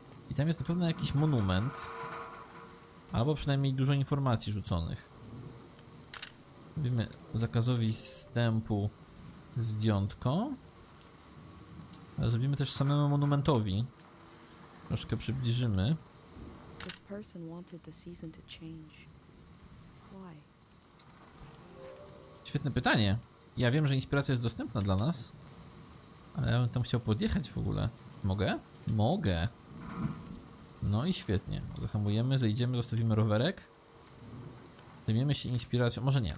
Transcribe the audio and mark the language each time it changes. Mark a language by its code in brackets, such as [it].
[pl] I tam jest na pewno jakiś monument. Albo przynajmniej dużo informacji rzuconych. Mówimy zakazowi wstępu zdjątko. Ale zrobimy też samemu monumentowi. Troszkę przybliżymy. [en] This person wanted the season to change. Why? [pl] Świetne pytanie. Ja wiem, że inspiracja jest dostępna dla nas. Ale ja bym tam chciał podjechać w ogóle. Mogę? Mogę. No i świetnie. Zahamujemy, zejdziemy, zostawimy rowerek. Zajmiemy się inspiracją. Może nie.